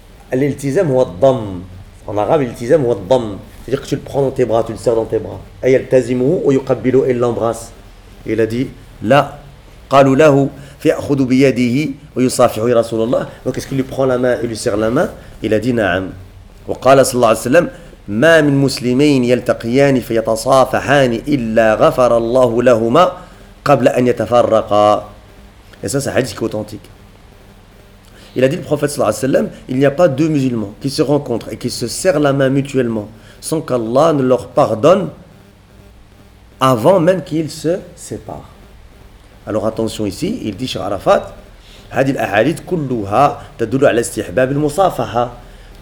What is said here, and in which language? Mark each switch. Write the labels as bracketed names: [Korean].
[Arabic] Al-iltizam huwa ad-damm. [French] En arabe, [Arabic] l'iltizam huwa ad-damm. [French] C'est-à-dire que tu le prends dans tes bras, tu le serres dans tes bras. [Arabic] Ayal tazimuhu ou yuqabbilu, [French] il l'embrasse. Et il a dit, [Arabic] la. Qalu lahu, fi'akhudu biyadihi, ou yusafihu rasulallah. [French] Donc est-ce qu'il lui prend la main et lui serre la main? Il a dit na'am. [Arabic] Wa qala sallallahu alayhi wa sallam, ما من مسلمين يلتقيان فيتصافحان إلا غفر الله لهما قبل أن يتفرقا. [French] Et ça, c'est un hadith qui est authentique. Il a dit le prophète sallallahu alayhi wa sallam, il n'y a pas deux musulmans qui se rencontrent et qui se serrent la main mutuellement sans qu'Allah ne leur pardonne avant même qu'ils se séparent. Alors attention ici, il dit chez Arafat, [Arabic] هذه الأحاديث كلها تدل على استحباب المصافحة.